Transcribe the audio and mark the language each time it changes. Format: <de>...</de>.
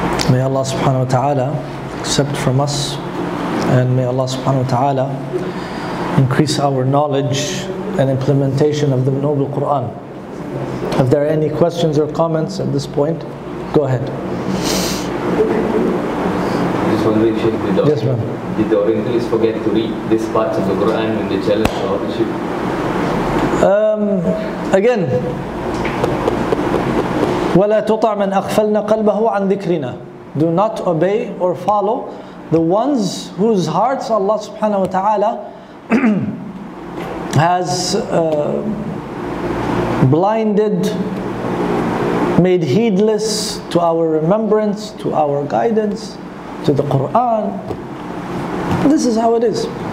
<en>May Allah subhanahu wa ta'ala accept from us, and may Allah subhanahu wa ta'ala increase our knowledge and implementation of the noble Quran. If there are any questions or comments at this point, go ahead. Just wondering, Sheikh, did the Orientalists forget to read this part of the Quran when they challenged the authorship?</en> <ar>Again, وَلَا تُطَعْ مَنْ أَخْفَلْنَا قَلْبَهُ عَنْ ذِكْرِنَا.</ar> <en>Do not obey or follow the ones whose hearts Allah subhanahu wa ta'ala has blinded, made heedless to our remembrance, to our guidance, to the Quran. This is how it is.</en>